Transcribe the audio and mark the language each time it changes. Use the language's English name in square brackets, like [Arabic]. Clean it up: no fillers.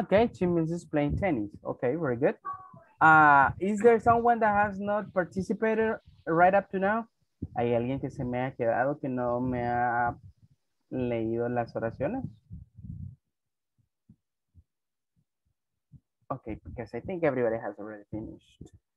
[English] Okay, she misses playing tennis. Okay, very good. Is there someone that has not participated right up to now? [Spanish] ¿Hay alguien que se me ha quedado que no me ha leído las oraciones? [English] Okay, because I think everybody has already finished.